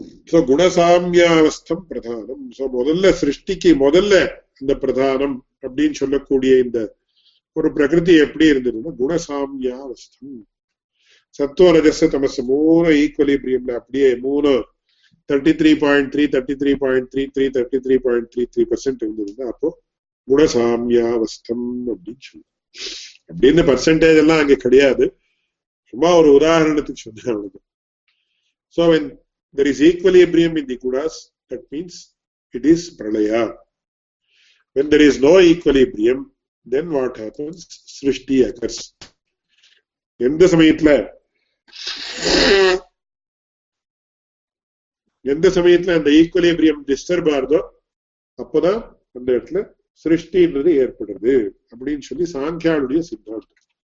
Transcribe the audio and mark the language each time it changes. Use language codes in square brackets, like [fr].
[ta] So குணசாமியாவஸ்தம் பிரதானம். So முதல்ல சிருஷ்டிக்கு முதல்ல இந்த பிரதானம் அப்படின்னு சொல்லக்கூடிய இந்த ஒரு பிரகிருதி எப்படி இருந்ததுன்னா, குணசாமியாவஸ்தம் சத்துவ ரஜச தமச மூணு ஈக்குவலிபிரியம்ல அப்படியே மூணு 33.33 33.33 33.33% இருந்ததுன்னா அப்போ குணசாமியாவஸ்தம் அப்படின்னு சொல்லுவோம். அப்படின்னு பர்சன்டேஜ் எல்லாம் அங்க கிடையாது, சும்மா ஒரு உதாரணத்துக்கு சொன்னாங்க. [en] So when there is equilibrium in the gunas, that means it is pralaya. When there is no equilibrium, then what happens? Srishti occurs. [ta] எந்த சமயத்துல அந்த ஈக்குவலிபிரியம் டிஸ்டர்ப் ஆகுதோ அப்பதான் அந்த இடத்துல சிருஷ்டின்றது ஏற்படுறது அப்படின்னு சொல்லி சாங்கியாளுடைய சித்தாந்தம்.